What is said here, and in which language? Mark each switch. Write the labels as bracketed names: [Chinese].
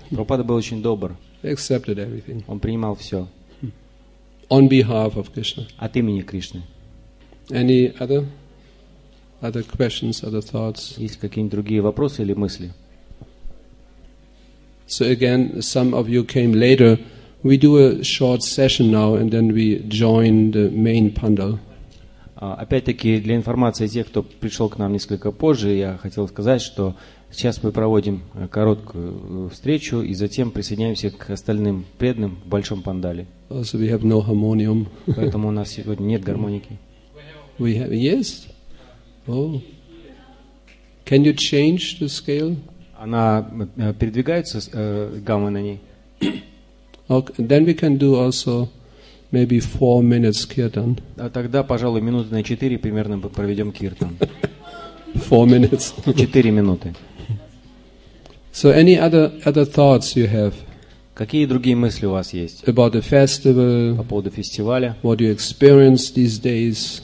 [Russian] Прабхупада был очень добр. [English] He accepted everything. [Russian] Он принимал все. [English] On behalf of Krishna. [Russian] От имени Кришны. [English] Any other questions, other thoughts? [Russian] Есть какие-нибудь другие вопросы или мысли? [English] So again, some of you came later. We do a short session now, and then we join the main pandal. [Russian] Опять-таки для информации тех, кто пришел к нам несколько позже, я хотел сказать, что сейчас мы проводим короткую встречу и затем присоединяемся к остальным преданным в большом пандале. [English] Also, we have no harmonium. [Russian] Поэтому у нас сегодня нет гармоники. [English] We have a We have, yes. Oh. Can you change the scale? [Russian] Она передвигается, гамма на ней. [English] Okay, then we can do also maybe 4 minutes kirtan. [Russian] А тогда, пожалуй, минуты на 4 примерно проведем киртан. [English] 4 minutes. [Russian] 4 минуты. [English] So any other thoughts you have? [Russian] Какие другие мысли у вас есть? [English] About the festival. [Russian] По поводу фестиваля. [English] What you experienced these days?